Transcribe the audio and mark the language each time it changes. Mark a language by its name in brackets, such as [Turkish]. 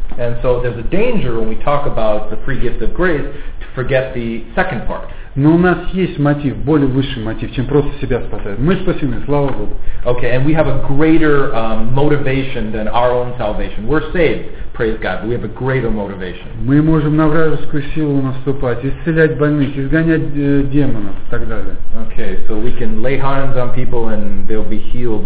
[English] And so there's a danger when we talk about the free gift of grace to forget the second part. [Russian] Но у нас есть мотив, более высший мотив, чем просто себя спасать. Мы спасены, слава Богу. [English] Okay, and we have a greater motivation than our own salvation. We're saved, praise God, but we have a greater motivation. [Russian] Мы можем на вражескую силу наступать, исцелять больных, изгонять демонов и так далее. [English] Okay, so we can lay hands on people and they'll be healed.